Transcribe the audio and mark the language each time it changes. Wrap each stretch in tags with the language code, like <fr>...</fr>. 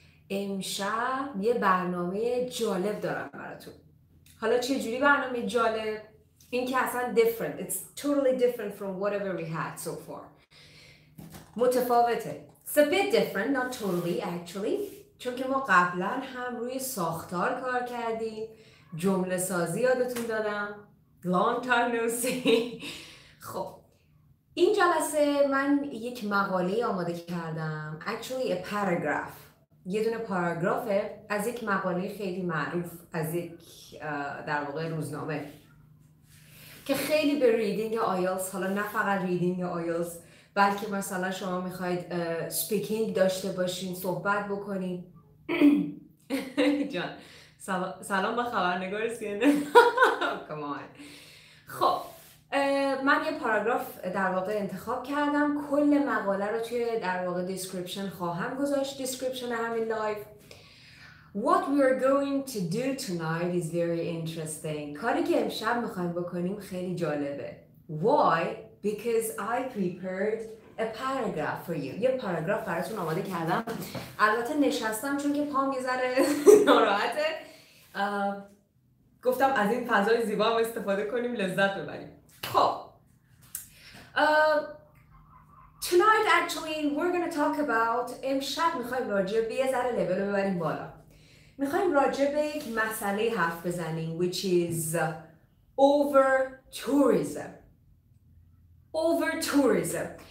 <fa>امشب یه برنامه جالب دارم براتون. حالا چه جوری برنامه جالب؟ این که اصلا different.</fa> <en>It's totally different from whatever we had so far.</en> <fa>متفاوته.</fa> <en>It's a bit different, not totally actually.</en> <fa>چون که ما قبلا هم روی ساختار کار کردیم. جمله سازی یادتون دادم.</fa> <en>Long time no see.</en> <fa>خب این جلسه من یک مقاله آماده کردم،</fa> <en>actually a paragraph،</en> <fa>یه دونه پاراگرافه از یک مقاله خیلی معروف از یک در واقع روزنامه که خیلی به ریدینگ آیلتس، حالا نه فقط ریدینگ آیلتس بلکه مثلا شما میخواید speaking داشته باشین، صحبت بکنین. جان سلام به خبرنگار سینه. کامان. خب من یه پاراگراف در واقع انتخاب کردم، کل مقاله رو توی در واقع دیسکریپشن خواهم گذاشت، دیسکریپشن همین لایو.</fa> <en>What we are going to do tonight is very interesting.</en> <fa>کاری که امشب میخوایم بکنیم خیلی جالبه.</fa> <en>Why? Because I prepared a paragraph for you.</en> <fa>یه پاراگراف براتون آماده کردم. البته نشستم چون که پام یه ذره ناراحته. گفتم از این فضای زیبا هم استفاده کنیم، لذت ببریم. خب</fa> <en>tonight actually we're gonna talk about،</en> <fa>امشب میخواییم راجع به یه ذره لیبل ببریم بالا، میخواییم راجع به یک مسئله حرف بزنیم</fa> <en>which is overtourism.</en>